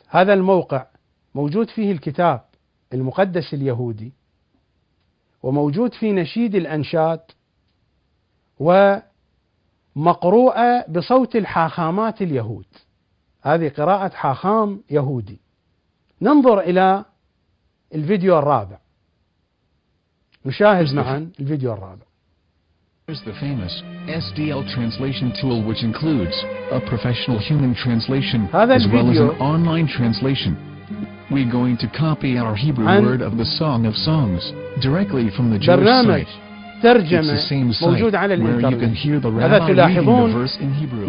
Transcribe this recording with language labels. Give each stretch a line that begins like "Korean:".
Arabic: هذا الموقع موجود فيه الكتاب المقدس اليهودي، وموجود فيه نشيد الأنشاد، ومقروءة بصوت الحاخامات اليهود. هذه قراءة حاخام يهودي. ننظر إلى الفيديو الرابع، نشاهد معا الفيديو الرابع.
English: Here's the famous SDL translation tool which includes a professional human translation as well as an online translation. We're going to copy our Hebrew word of the Song of Songs directly from the Jewish site.
Arabic: ترجمة
English: It's the same site
Arabic: موجود على الإنترنت.
English: Where you can hear the rabbi reading the verse in Hebrew.